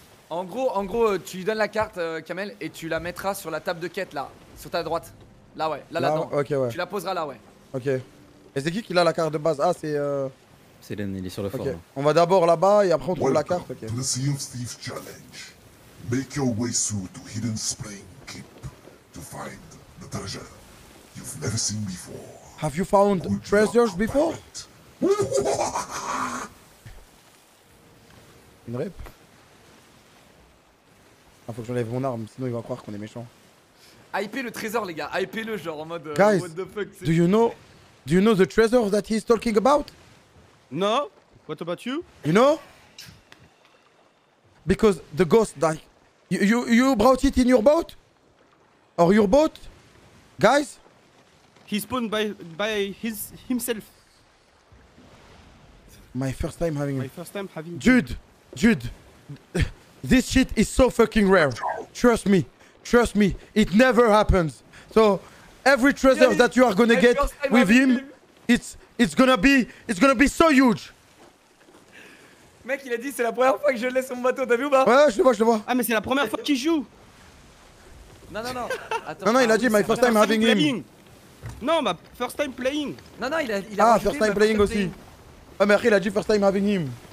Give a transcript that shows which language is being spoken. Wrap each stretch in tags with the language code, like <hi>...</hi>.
<fr>En gros, tu lui donnes la carte, Kamel, et tu la mettras sur la table de quête, là. Sur ta droite. Là, ouais. Là-dedans. Ok, ouais. Tu la poseras là, ouais. Ok. Et c'est qui a la carte de base? Ah, c'est. C'est Len, il est sur le fort. Ok. On va d'abord là-bas, et après, on trouve la carte. Ok.</fr> <en>The Sea of Thieves Challenge. Make your way through to Hidden Spring Keep to find the treasure you've never seen before. Have you found treasures before?</en> <fr>Une rip? Ah, faut que j'enlève mon arme, sinon il va croire qu'on est méchant. Hypez le trésor, les gars, hypez-le, genre en mode.</fr> <en>Guys, what the fuck,</en> <fr>c'est...</fr> <en>Do you know the treasure that he's talking about? No? What about you? You know? Because the ghost died. You brought it in your boat? Or your boat? Guys? He spawned by his himself. My first time having Jude, this shit is so fucking rare. Trust me, it never happens. So every treasure that you are gonna get with him, it's gonna be so huge.</en> <fr>Mec, il a dit c'est la première fois que je le laisse sur mon bateau, t'as vu ou pas? Ouais, je le vois. Ah, mais c'est la première fois qu'il joue! Non. Attends, non, il a dit</fr> <en>my first time having him.</en> <fr>Non, ma</fr> <en>first time playing.</en> <fr>Non, il a ah,</fr> <en>first time playing</en> <fr>aussi. Ah, mais après, il a dit</fr> <en>first time having him.</en>